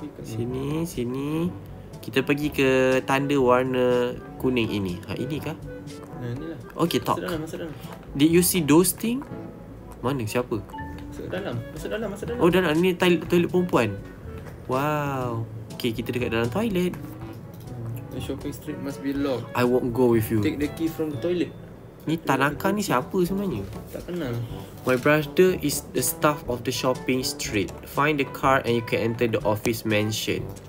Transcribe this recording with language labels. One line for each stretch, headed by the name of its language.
Malay: Sini, sini. Kita pergi ke tanda warna kuning ini. Ha, ini kah? Nah, inilah.
English: Okay, talk.
Malay: Masuk dalam.
English: Did you see those thing?
Malay: Mana? Siapa? Masuk dalam. Oh, dalam. Ini toilet perempuan. Wow. Okay, kita dekat dalam toilet.
English: The shopping street must be locked. I won't go with you. Take the key from the toilet.
Malay: Ni Tanaka ni siapa sebenarnya? Tak kenal.
English: My brother is the staff of the shopping street. Find the car and you can enter the office mansion.